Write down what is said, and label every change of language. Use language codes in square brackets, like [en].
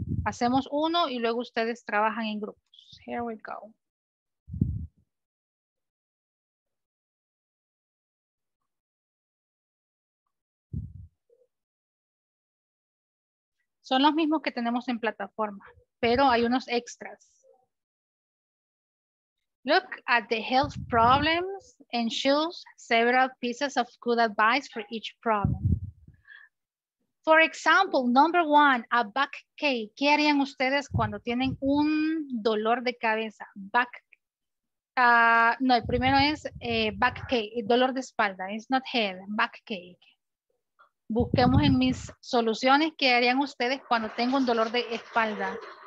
[es] Hacemos uno y luego ustedes trabajan en grupos. [en] Here we go. [es] Son los mismos que tenemos en plataforma, pero hay unos extras. [en] Look at the health problems and choose several pieces of good advice for each problem. For example, number one, a backache. [es] ¿Qué harían ustedes cuando tienen un dolor de cabeza? El primero es backache, dolor de espalda. [en] It's not head, backache. [es] Busquemos en mis soluciones qué harían ustedes cuando tengo un dolor de espalda.